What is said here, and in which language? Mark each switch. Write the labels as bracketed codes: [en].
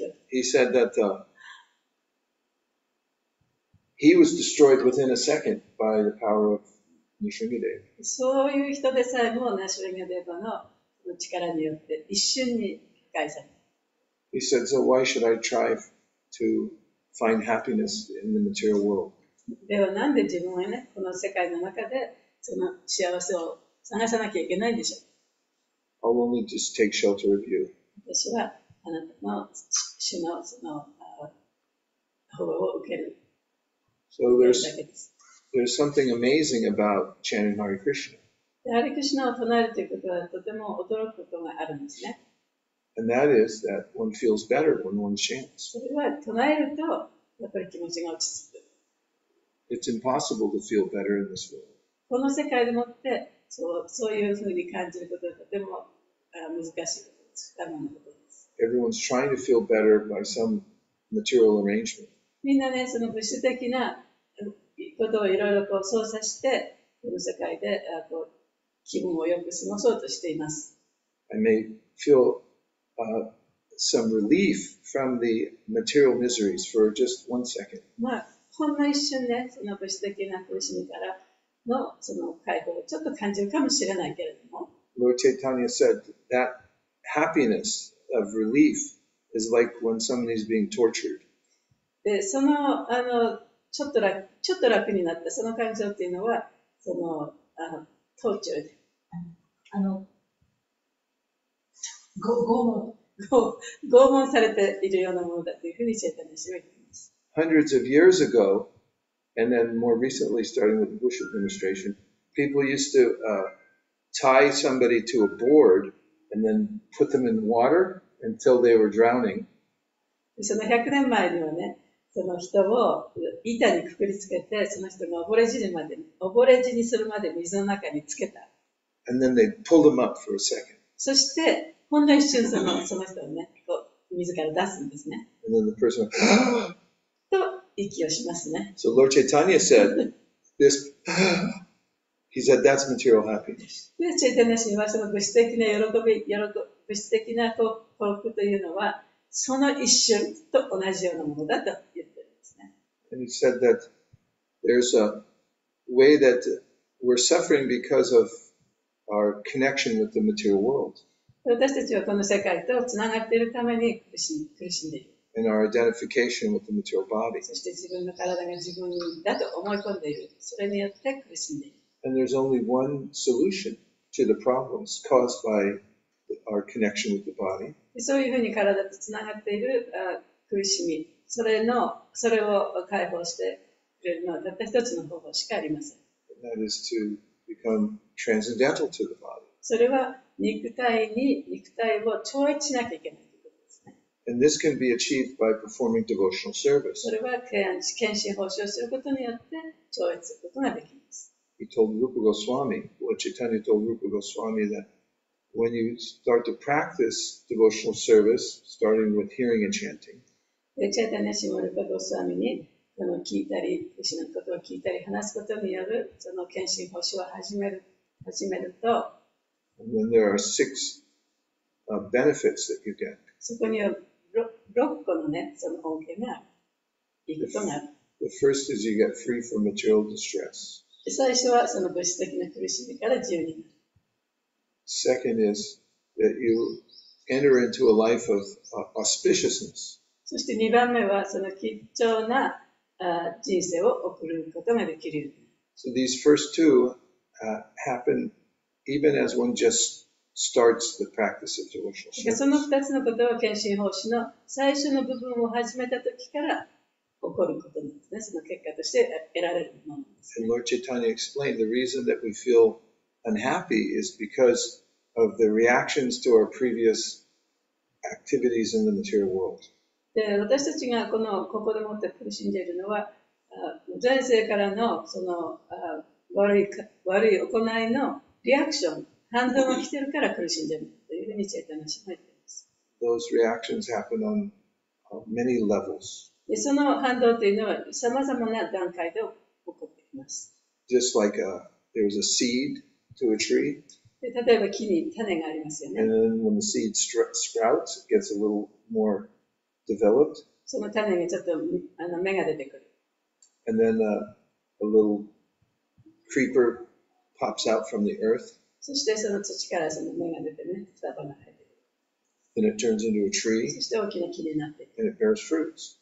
[en] He said that he was destroyed within a second by the power of Nisringadeva. [ja] そういう人でさえもナシュリンガデーヴァの力によって一瞬に破壊された。 [en] He said, so why should I try to find happiness in the material world? [ja] ではなんで自分はね、この世界の中でその幸せを探さなきゃいけないんでしょう。 [en] I'll only just take shelter of you. [ja] 私はあなたの主のその保護を受ける。 [en] So there's something amazing about chanting Hare Krishna. [ja] ハリクリシナを唱えるということはとても驚くことがあるんですね。 [en] And that is that one feels better when one chants. [ja] それは唱えるとやっぱり気持ちが落ち着く。 [en] It's impossible to feel better in this world. [ja] この世界でもって。そういうふうに感じることはとても難しいことです。不可能なことです。 [en] Everyone's trying to feel better by some material arrangement. [ja] みんなね、その物質的なことをいろいろこう操作して、この世界でこう気分を良く過ごそうとしています。 [en] I may feel some relief from the material miseries for just one second. [ja] まあ、ほんの一瞬ね、その物質的な苦しみから、のその解放をちょっと感じるかもしれないけれども。 [en] Lord Chaitanya said that happiness of relief is like when somebody is being tortured. [ja] で、その、ちょっと楽になった、その感情っていうのは、その、トーチューで。拷問されているようなものだというふうにチェイタニアは言っています。 [en] Hundreds of years ago,And then more recently, starting with the Bush administration, people used to tie somebody to a board and then put them in water until they were drowning. [ja] その100年前にはね、その人を板にくくりつけて、その人が溺れ死にするまで水の中につけた。 [en] And then they'd pull them up for a second. [ja] そして、ほんの一瞬その人をね、こう水から出すんですね。 [en] And then the person would, [ja] と、息をしますね。 [en] So Lord Chaitanya said, this, he said, that's material happiness. [ja] で、チェイタニア氏はその物質的な喜び、物質的な幸福というのは、その一瞬と同じようなものだと言ってるんですね。 [en] And he said that there's a way that we're suffering because of our connection with the material world. [ja] 私たちはこの世界とつながっているために苦しんでいる。 [en] In our identification with the material body. [ja] そして自分の体が自分だと思い込んでいる。それによって苦しんでいる。 [en] And there's only one solution to the problems caused by our connection with the body. [ja] そういうふうに体とつながっている苦しみ、それを解放してくれるのはたった一つの方法しかありません。 [en] And that is to become transcendental to the body. [ja] それは肉体を超越しなきゃいけない。 [en] And this can be achieved by performing devotional service. [ja] それは献身奉仕をすることによって超越することができます。 [en] He told Rupa Goswami, Lord Chaitanya told Rupa Goswami that when you start to practice devotional service, starting with hearing and chanting, [ja] チェタニア氏もルパゴスワミに、その聞いたり、クリシュナのことを聞いたり、話すことによる、その献身奉仕を始めると、 [en] And then there are six benefits that you get. [ja] そこには6個のね、その恩恵がいくとなる。 [en] The first is you get free from material distress. [ja] 最初はその物質的な苦しみから自由になる。 [en] Second is that you enter into a life of auspiciousness. [ja] そして2番目はその貴重な人生を送ることができる。 [en] So these first two happen even as one just starts the practice of devotional service. [ja] その二つのことは献身奉仕の最初の部分を始めた時から起こることなんですね。その結果として得られるものです、ね。 [en] And Lord Chaitanya explained the reason that we feel unhappy is because of the reactions to our previous activities in the material world. [ja] で、私たちがこの心を持って苦しんでいるのは、前世からのその悪い行いのリアクション、反動が来ているから苦しんでいるというふうにチェタナシマ言っています。 [en] Those reactions happen on many levels. [ja] で、その反動というのは様々な段階で起こっています。 [en] Just like there was a seed to a tree. [ja] で例えば木に種がありますよね。 [en] And then when the seed sprouts, it gets a little more developed. [ja] その種にちょっと芽が出てくる。 [en] And then a little creeper pops out from the earth. [ja] そしてその土からその芽が出てね、双葉が生えてくる。 [en] Then it turns into a tree. [ja] そして大きな木になっていく。 [en] And it bears fruits.